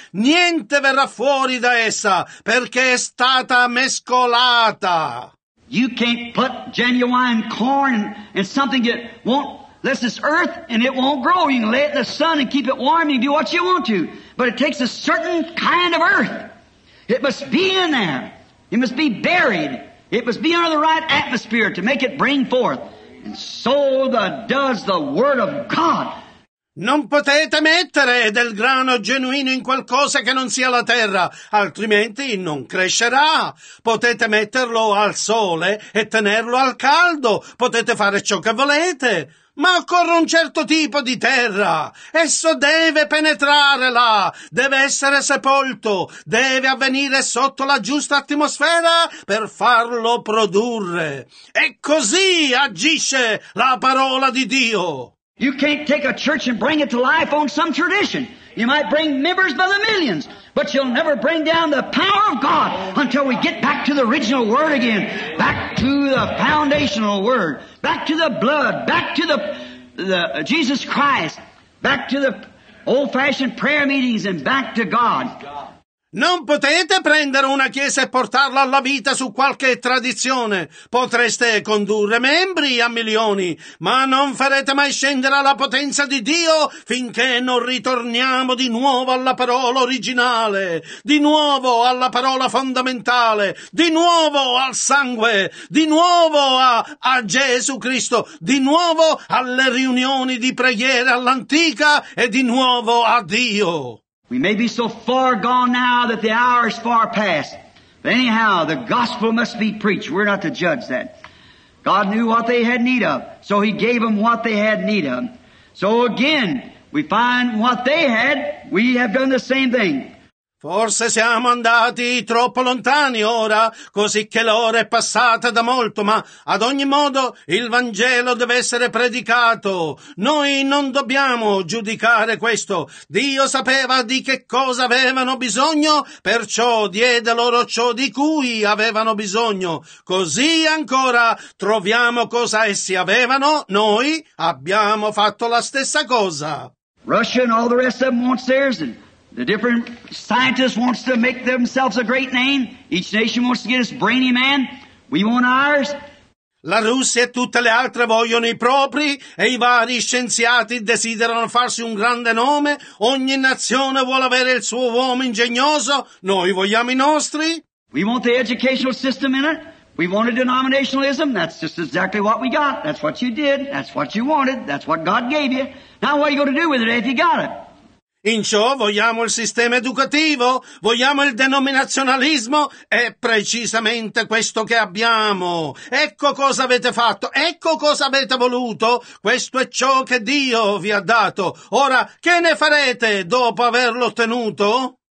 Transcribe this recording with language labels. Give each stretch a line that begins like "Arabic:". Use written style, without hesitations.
Italian: Niente verrà fuori da essa perché è stata mescolata.
English: You can't put genuine corn in something that won't. This is earth and it won't grow. You can lay it in the sun and keep it warm. You can do what you want to. But it takes a certain kind of earth. It must be in there. It must be buried. It must be under the right atmosphere to make it bring forth. And so does the word of God.
Italian: Non potete mettere del grano genuino in qualcosa che non sia la terra, altrimenti non crescerà. Potete metterlo al sole e tenerlo al caldo. Potete fare ciò che volete. Ma occorre un certo tipo di terra. Esso deve penetrare là, deve essere sepolto, deve avvenire sotto la giusta atmosfera per farlo produrre. E così agisce la parola di Dio.
English: You can't take a church and bring it to life on some tradition. You might bring members by the millions, but you'll never bring down the power of God until we get back to the original Word again. Back to the foundational Word. Back to the blood. Back to the Jesus Christ. Back to the old-fashioned prayer meetings and back to God.
Italian: Non potete prendere una chiesa e portarla alla vita su qualche tradizione. Potreste condurre membri a milioni, ma non farete mai scendere alla potenza di Dio finché non ritorniamo di nuovo alla parola originale, di nuovo alla parola fondamentale, di nuovo al sangue, di nuovo a Gesù Cristo, di nuovo alle riunioni di preghiera all'antica e di nuovo a Dio.
English: We may be so far gone now that the hour is far past. But anyhow, the gospel must be preached. We're not to judge that. God knew what they had need of, so He gave them what they had need of. So again, we find what they had, we have done the same thing.
Italian: Forse siamo andati troppo lontani ora, così che l'ora è passata da molto, ma ad ogni modo il Vangelo deve essere predicato. Noi non dobbiamo giudicare questo. Dio sapeva di che cosa avevano bisogno, perciò diede loro ciò di cui avevano bisogno. Così ancora troviamo cosa essi avevano, noi abbiamo fatto la stessa cosa.
English: Russia and all the rest of them wants theirs. The different scientists wants to make themselves a great name. Each nation wants to get its brainy man. We want ours.
Italian: La Russia e tutte le altre vogliono i propri e i vari scienziati desiderano farsi un grande nome. Ogni nazione vuole avere il suo uomo ingegnoso. Noi vogliamo i nostri.
English: We want the educational system in it. We want a denominationalism. That's just exactly what we got. That's what you did. That's what you wanted. That's what God gave you. Now what are you going to do with it if you got it?
Italian: In ciò vogliamo il sistema educativo, vogliamo il denominazionalismo, è precisamente questo che abbiamo. Ecco cosa avete fatto, ecco cosa avete voluto, questo è ciò che Dio vi ha dato. Ora, che ne farete dopo averlo ottenuto?